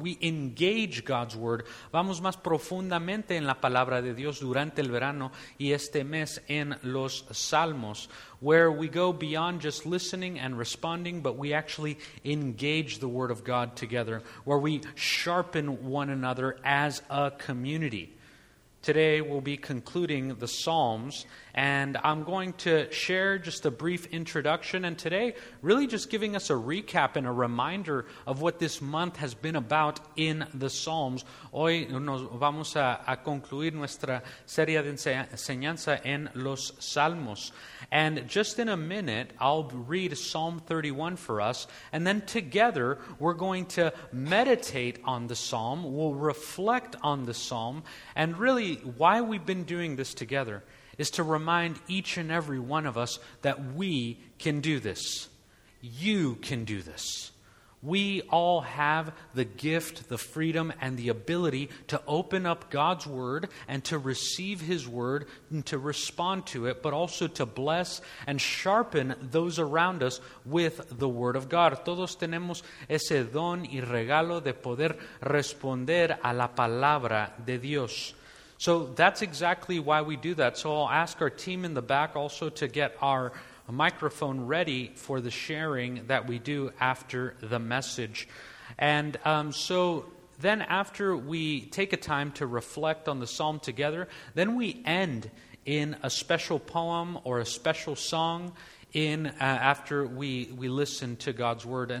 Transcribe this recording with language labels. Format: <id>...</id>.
<en>We engage God's Word.</en> <es>Vamos más profundamente en la Palabra de Dios durante el verano y este mes en los Salmos,</es> <en>where we go beyond just listening and responding, but we actually engage the Word of God together, where we sharpen one another as a community. Today, we'll be concluding the Psalms, and I'm going to share just a brief introduction, and today, really just giving us a recap and a reminder of what this month has been about in the Psalms.</en> <es>Hoy nos vamos a concluir nuestra serie de enseñanza en los Salmos.</es> <en>And just in a minute, I'll read Psalm 31 for us, and then together, we're going to meditate on the Psalm, we'll reflect on the Psalm, and really, why we've been doing this together is to remind each and every one of us that we can do this. You can do this. We all have the gift, the freedom, and the ability to open up God's Word and to receive His Word and to respond to it, but also to bless and sharpen those around us with the Word of God.</en> <es>Todos tenemos ese don y regalo de poder responder a la palabra de Dios.</es> <en>So that's exactly why we do that. So I'll ask our team in the back also to get our microphone ready for the sharing that we do after the message. And so then after we take a time to reflect on the psalm together, then we end in a special poem or a special song in after we listen to God's Word.</en>